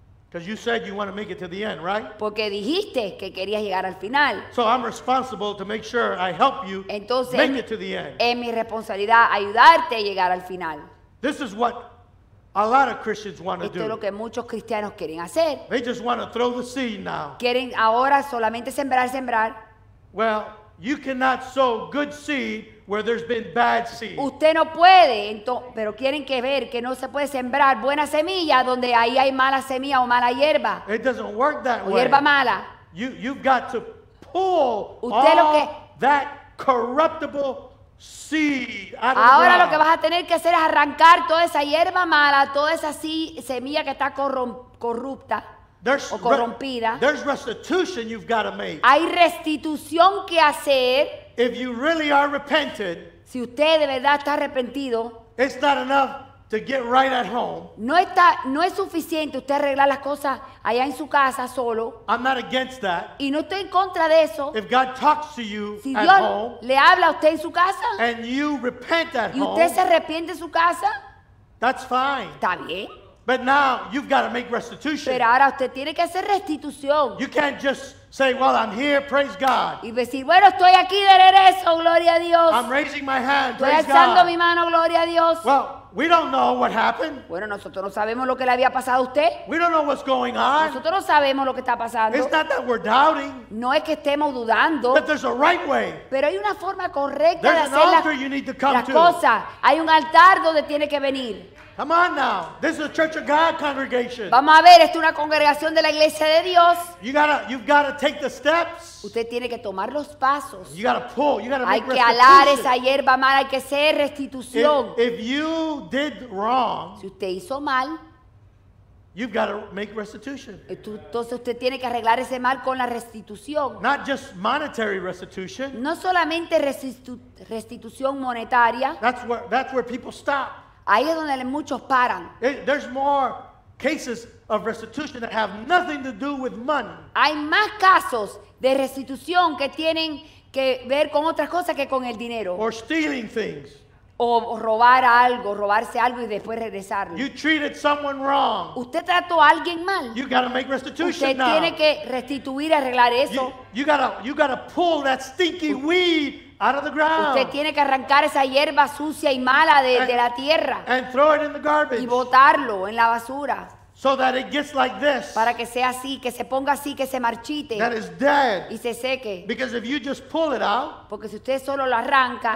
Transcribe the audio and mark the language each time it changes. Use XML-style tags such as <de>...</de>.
<en>Because you said you want to make it to the end, right?</en> <es>Porque dijiste que querías llegar al final.</es> <en>So I'm responsible to make sure I help you.</en> <es>Entonces,</es> <en>make it to the end.</en> <es>Es mi responsabilidad ayudarte a llegar al final.</es> <en>This is what a lot of Christians want to do.</en> <es>Esto es lo que muchos cristianos quieren hacer.</es> <en>They just want to throw the seed now.</en> <es>Quieren ahora solamente sembrar.</es> <en>Well, you cannot sow good seed where there's been bad seed.</en> <es>Usted no puede, pero quieren que ver que no se puede sembrar buena semilla donde ahí hay mala semilla o mala hierba.</es> <en>It doesn't work that way.</en> <es>O hierba mala.</es> <en>You've got to pull all that corruptible seed out of the ground.</en> <es>Ahora lo que vas a tener que hacer es arrancar toda esa hierba mala, toda esa semilla que está corrupta.</es> <en>There's,</en> <es>o corrompida.</es> <en>There's restitution you've got to make.</en> <es>Hay restitución que hacer.</es> <en>If you really are repented,</en> <es>si usted de verdad está arrepentido,</es> <en>it's not enough to get right at home.</en> <es>No es suficiente usted arreglar las cosas allá en su casa solo.</es> <en>I'm not against that.</en> <es>Y no estoy en contra de eso.</es> <en>If God talks to you</en> <es>si</es> <en>at</en> <es>Dios</es> <en>home,</en> <es>le habla a usted en su casa,</es> <en>and you repent at</en> <es>y usted</es> <en>home,</en> <es>se arrepiente en su casa,</es> <en>that's fine.</en> <es>Está bien.</es> <en>But now you've got to make restitution.</en> <es>Pero ahora usted tiene que hacer restitución.</es> <en>You can't just say, "Well, I'm here, praise God."</en> <es>Y decir, bueno, estoy aquí de regreso, gloria a Dios.</es> <en>I'm raising my hand,</en> <es>estoy</es> <en>praise God.</en> <es>Estoy alzando mi mano, gloria a Dios.</es> <en>Well, we don't know what happened.</en> <es>Bueno, nosotros no sabemos lo que le había pasado a usted.</es> <en>We don't know what's going on.</en> <es>Nosotros no sabemos lo que está pasando.</es> <en>It's not that we're doubting.</en> <es>No es que estemos dudando.</es> <en>But there's a right way.</en> <es>Pero hay una forma correcta</es> <en>there's</en> <es>de hacer</es> <en>an altar you need to come</en> <es>las cosas.</es> <en>To.</en> <es>Hay un altar donde tiene que venir.</es> <en>Come on now. This is a Church of God congregation.</en> <es>Vamos a ver, esto es una congregación de la Iglesia de Dios.</es> <en>You gotta take the steps.</en> <es>Usted tiene que tomar los pasos.</es> <en>You gotta pull. You gotta</en> <es>hay</es> <en>make</en> <es>que</es> <en>restitution.</en> <es>Alar esa hierba mala, hay que hacer restitución.</es> <en>If you did wrong,</en> <es>si usted hizo mal,</es> <en>you've got to make restitution.</en> <es>Entonces usted tiene que arreglar ese mal con la restitución.</es> <en>Not just monetary restitution.</en> <es>No solamente restitución monetaria.</es> <en>That's where people stop.</en> <es>Ahí es donde muchos paran.</es> <en>There's more cases of restitution that have nothing to do with money.</en> <es>Hay más casos de restitución que tienen que ver con otras cosas que con el dinero.</es> <en>Or stealing things.</en> <es>o robar algo, robarse algo y después regresarlo.</es> <en>You treated someone wrong.</en> <es>Usted trató a alguien mal.</es> <en>You gotta make restitution</en> <es>usted tiene</es> <en>now.</en> <es>Que restituir, arreglar eso.</es> <en>You gotta pull that stinky weed out of the ground.</en> <es>Usted tiene que arrancar esa hierba sucia y mala de la tierra.</es> <en>And throw it in the garbage.</en> <es>Y botarlo en la basura.</es> <en>So that it gets like this.</en> <es>Para que sea así, que se ponga así, que se marchite.</es> <en>That is dead.</en> <es>Y se seque.</es> <en>Because if you just pull it out.</en> <es>Porque si usted solo lo arranca.</es>